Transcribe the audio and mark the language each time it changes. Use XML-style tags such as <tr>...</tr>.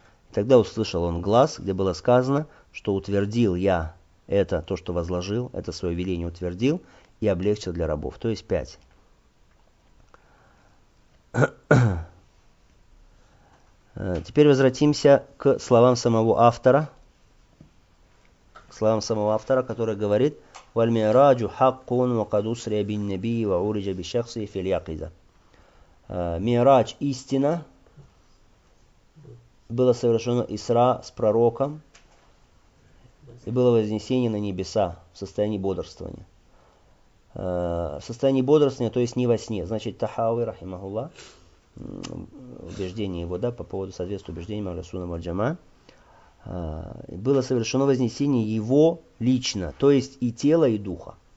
<ru>И тогда услышал он глас, где было сказано, что утвердил я это, то, что возложил, это свое веление утвердил и облегчил для рабов. То есть 5. Теперь возвратимся к словам самого автора. К словам самого автора, который говорит,</ru> <ar>والمعراج حق وقد أسرى بالنبي وعرج بشخصه في اليقظة.</ar> <ru>Мираж, истина, было совершено Исра с пророком, и было вознесение на небеса в состоянии бодрствования. В состоянии бодрствования, то есть не во сне. Значит, Тахави, рахимахулла, убеждение его, да, по поводу соответствия убеждениям Ахли Сунна валь Джамаа, было совершено вознесение его лично, то есть и тела, и духа.</ru>